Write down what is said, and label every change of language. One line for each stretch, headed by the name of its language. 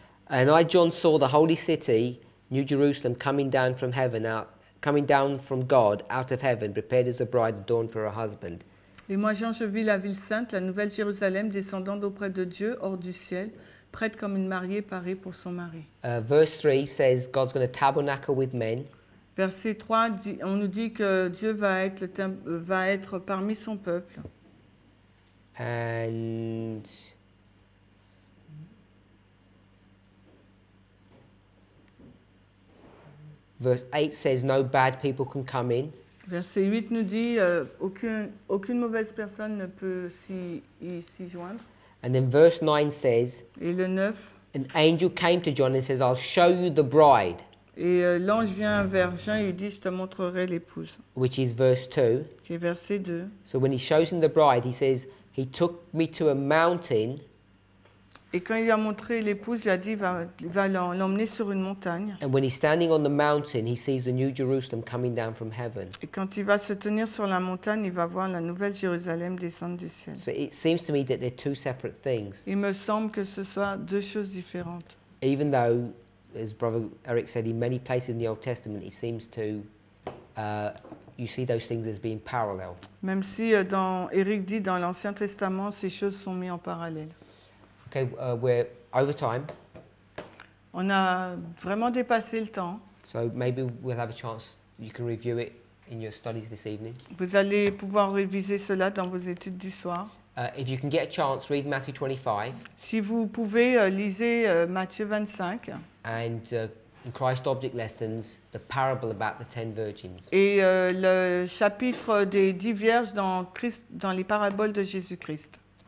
English: And I, John, saw the holy city, New Jerusalem, coming down from heaven out. Coming down from God, out of heaven, prepared as a bride adorned for her husband.
French: Et moi, Jean, je vis la ville sainte, la nouvelle Jérusalem, descendant d'auprès de Dieu, hors du ciel, prête comme une mariée parée pour son mari.
English: Verse 3 says God's going to tabernacle with men.
French: Verset 3, on nous dit que Dieu va être, va être parmi son peuple.
English: And... Verse 8 says no bad people can come in.
French: Verset 8 nous dit aucune mauvaise personne ne peut s'y joindre.
English: And then verse 9 says.
French: Et le 9.
English: An angel came to John and says, "I'll show you the bride."
French: Et l'ange vient vers Jean et dit, je te montrerai l'épouse.
English: Which is verse 2.
French: Qui est verset 2.
English: So when he shows him the bride, he says, "He took me to a mountain."
French: Et quand il lui a montré l'épouse, il a dit, va l'emmener sur une montagne.
English: And when he's standing on the mountain, he sees the new Jerusalem coming down from heaven.
French: Et quand il va se tenir sur la montagne, il va voir la nouvelle Jérusalem descendre du ciel.
English: So it seems to me that they're two separate things.
French: Il me semble que ce soit deux choses différentes.
English: Even though, as Brother Eric said, in many places in the Old Testament, it seems to, you see those things as being parallel.
French: Même si, dans Eric dit, dans l'Ancien Testament, ces choses sont mises en parallèle.
English: Okay, we're over time.
French: On a vraiment dépassé le temps.
English: So maybe we'll have a chance, you can review it in your studies this evening.
French: Vous allez pouvoir réviser cela dans vos études du soir.
English: If you can get a chance, read Matthew 25.
French: Si vous pouvez, lisez Matthieu 25.
English: And in Christ Object Lessons, the parable about the 10 virgins.
French: Et le chapitre des 10 vierges dans, Christ, dans les paraboles de Jésus-Christ.